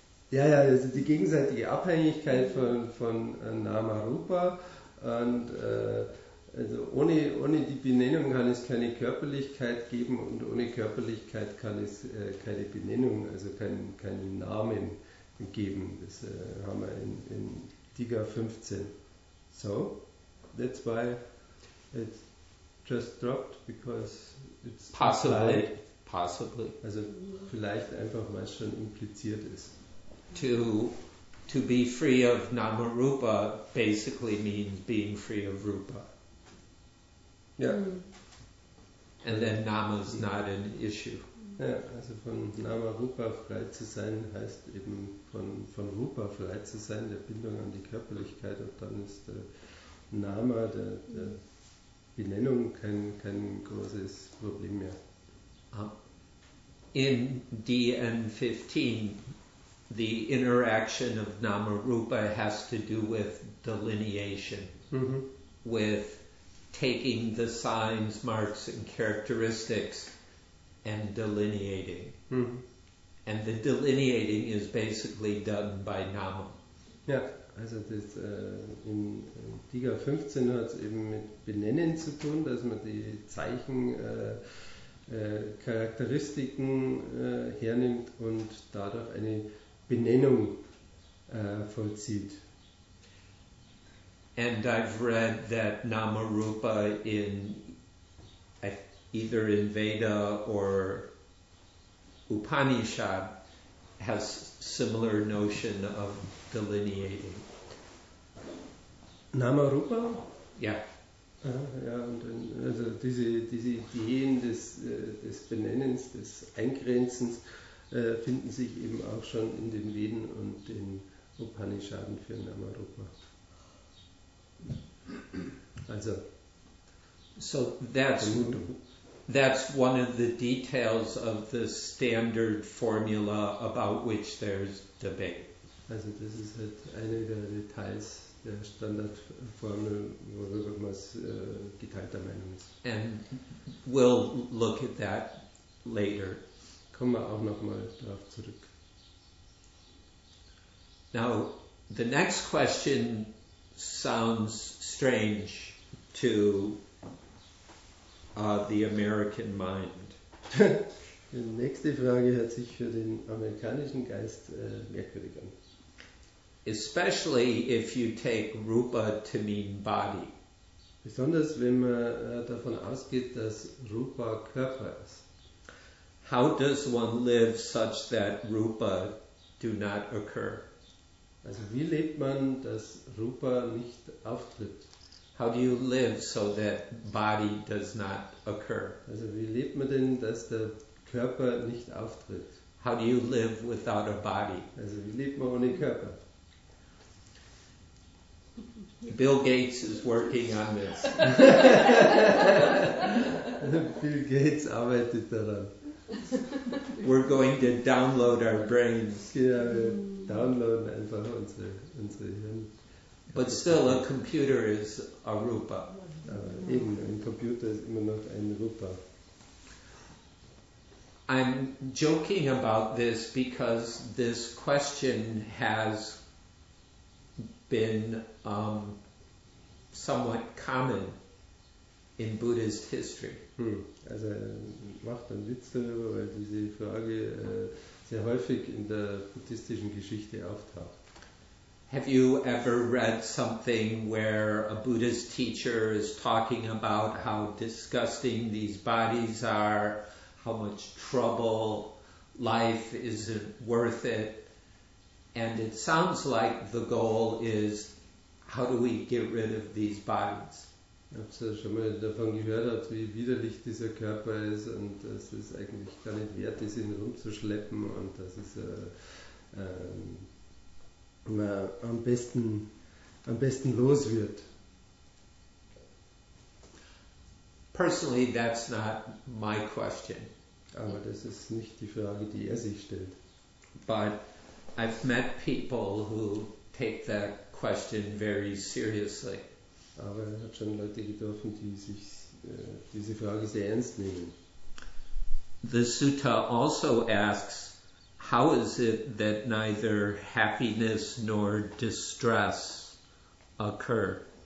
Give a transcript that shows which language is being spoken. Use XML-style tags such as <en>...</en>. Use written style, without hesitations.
<de>Ja, ja, also die gegenseitige Abhängigkeit von Namarupa und also ohne die Benennung kann es keine Körperlichkeit geben und ohne Körperlichkeit kann es keine Benennung, also keinen Namen geben. Das haben wir in Digha 15.</de> <en>So, that's why it just dropped, because it's possibly.</en> <de>Also vielleicht einfach, weil es schon impliziert ist.</de> <en>To be free of Namarupa basically means being free of Rupa. Yeah. And then Nama is not an issue.</en> <de>Ja, also von Namarupa frei zu sein heißt eben von Rupa frei zu sein, der Bindung an die Körperlichkeit, und dann ist der Nama, der Benennung, kein großes Problem mehr.</de> <en>In DN 15, the interaction of Namarupa has to do with delineation, with taking the signs, marks, and characteristics and delineating. Mm-hmm. And the delineating is basically done by Nama.</en> <de>Ja, also das in Digha 15 hat es eben mit Benennen zu tun, dass man die Zeichen, Charakteristiken hernimmt und dadurch eine Benennung vollzieht.</de> <en>And I've read that Namarupa in either in Veda or Upanishad has similar notion of delineating. Namarupa? Yeah.</en> <de>Ja, und dann, also diese Ideen des Benennens, des Eingrenzens finden sich eben auch schon in den Veden und den Upanishaden für Namarupa. Also,</de> <en>so that's one of the details of the standard formula about which there's debate.</en> <de>Also das ist halt eine der Details der Standardformel, worüber man geteilter Meinung ist.</de> <en>And we'll look at that later.</en> <de>Kommen wir auch nochmal darauf zurück.</de> <en>Now, the next question sounds strange to the American mind.</en> <de>Die nächste Frage hört sich für den amerikanischen Geist merkwürdig an.</de> <en>Especially if you take Rupa to mean body.</en> <de>Besonders wenn man davon ausgeht, dass Rupa Körper ist.</de> <en>How does one live such that Rupa do not occur?</en> <de>Also wie lebt man, dass Rupa nicht auftritt?</de> <en>How do you live so that body does not occur?</en> <de>Also wie lebt man denn, dass der Körper nicht auftritt?</de> <en>How do you live without a body?</en> <de>Also wie lebt man ohne Körper?</de> <en>Bill Gates is working on this.</en> <de>Bill Gates arbeitet daran.</de> <en>We're going to download our brains.</en> <de>Ja, wir downloaden einfach unsere Hirn.</de> <en>But still, a computer is a Rupa.</en> <de>Eben, ein Computer ist immer noch ein Rupa.</de> <en>I'm joking about this because this question has been somewhat common in Buddhist history.</en> <de>Also macht einen Witz darüber, weil diese Frage sehr häufig in der buddhistischen Geschichte auftaucht.</de> <en>Have you ever read something where a Buddhist teacher is talking about how disgusting these bodies are, how much trouble, life isn't worth it, and it sounds like the goal is, how do we get rid of these bodies?</en> <de>Habt ihr schon mal davon gehört, wie widerlich dieser Körper ist und dass es eigentlich gar nicht wert ist, ihn rumzuschleppen und dass es am besten los wird?</de> <en>Personally, that's not my question.</en> <de>Aber das ist nicht die Frage, die er sich stellt.</de> <en>But I've met people who take that question very seriously.</en> <de>Aber er hat schon Leute getroffen, die sich diese Frage sehr ernst nehmen.</de> <en>The Sutta also asks, how is it that neither happiness nor distress occur?</en>